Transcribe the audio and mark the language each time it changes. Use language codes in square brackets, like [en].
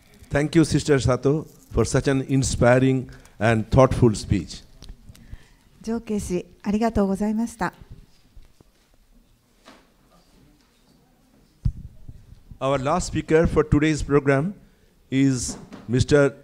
[en] Thank you, Sister Sato, for such an inspiring and thoughtful speech. [ja] 上慶氏、ありがとうございました。 [en] Our last speaker for today's program is Mr.